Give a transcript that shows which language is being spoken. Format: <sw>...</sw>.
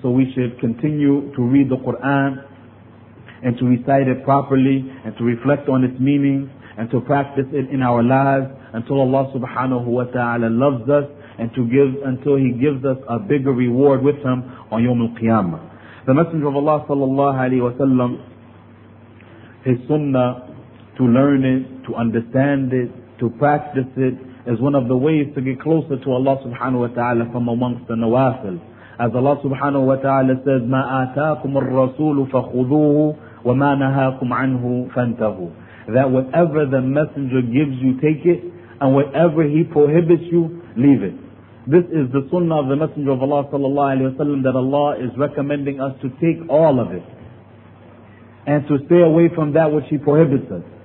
<en>So we should continue to read the Quran and to recite it properly and to reflect on its meaning and to practice it in our lives until Allah subhanahu wa ta'ala loves us and to give until He gives us a bigger reward with Him on Yawm al-Qiyamah. The Messenger of Allah sallallahu alayhi wa sallam, His sunnah, to learn it, to understand it, to practice it, is one of the ways to get closer to Allah subhanahu wa ta'ala from amongst the nawafil. As Allah subhanahu wa ta'ala says,</en> <ar>مَا آتَاكُمُ الرَّسُولُ فَخُذُوهُ وَمَا نَهَاكُمْ عَنْهُ فَانْتَهُ.</ar> <en>That whatever the Messenger gives you, take it, and whatever he prohibits you, leave it. This is the sunnah of the Messenger of Allah sallallahu alayhi wa sallam, that Allah is recommending us to take all of it and to stay away from that which He prohibits us.</en>